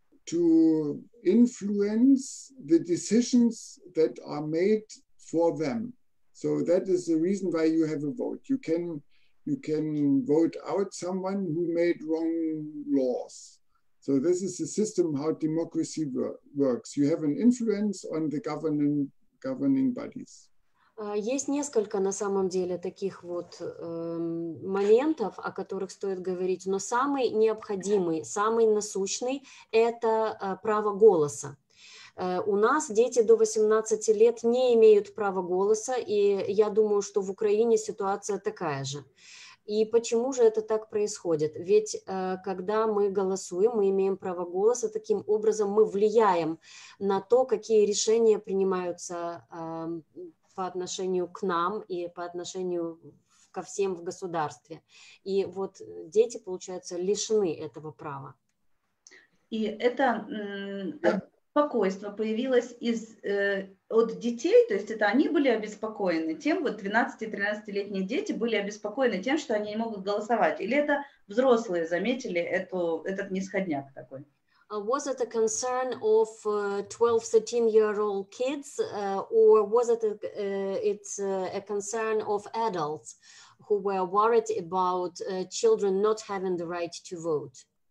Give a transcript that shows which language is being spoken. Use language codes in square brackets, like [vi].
[en] to influence the decisions that are made for them. So that is the reason why you have a vote. You can vote out someone who made wrong laws. So this is the system how democracy works. You have an influence on the governing bodies. [ru] Есть несколько на самом деле таких вот моментов, о которых стоит говорить, но самый необходимый, самый насущный – это право голоса. У нас дети до 18 лет не имеют права голоса, и я думаю, что в Украине ситуация такая же. И почему же это так происходит? Ведь когда мы голосуем, мы имеем право голоса, таким образом мы влияем на то, какие решения принимаются по отношению к нам и по отношению ко всем в государстве. И вот дети, получается, лишены этого права. И это беспокойство появилось из от детей, то есть это они были обеспокоены тем, вот 12-13-летние дети были обеспокоены тем, что они не могут голосовать. Или это взрослые заметили этот нисходняк такой? [en] Was it a concern of 12-13-year-old kids, or was it a concern of adults who were worried about children not having the right to vote?